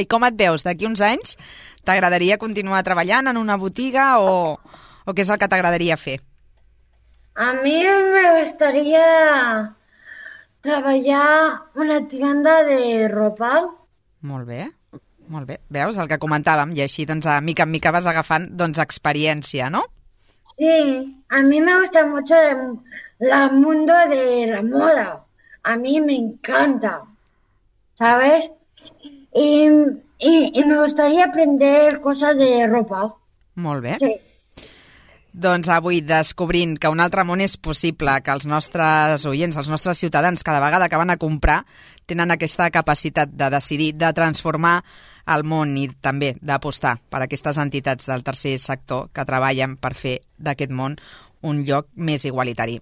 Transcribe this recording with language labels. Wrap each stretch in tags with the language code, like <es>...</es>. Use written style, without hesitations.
<ca>I com et veus d'aquí uns anys? T'agradaria continuar treballant en una botiga o què és el que t'agradaria fer? A mi m'agradaria treballar</ca> <es>una tienda de ropa.</es> <ca>Molt bé. Molt bé, veus el que comentàvem, i així doncs a mica en mica vas agafant doncs experiència, no?</ca> <es>Sí, a mi me gusta mucho el mundo de la moda. A mi me encanta, ¿sabes? Y me gustaría aprender cosas de ropa.</es> <ca>Molt bé. Sí. Doncs avui descobrint que un altre món és possible, que els nostres oients, els nostres ciutadans, cada vegada que van a comprar, tenen aquesta capacitat de decidir, de transformar el món i també d'apostar per aquestes entitats del tercer sector que treballen per fer d'aquest món un lloc més igualitari.</ca>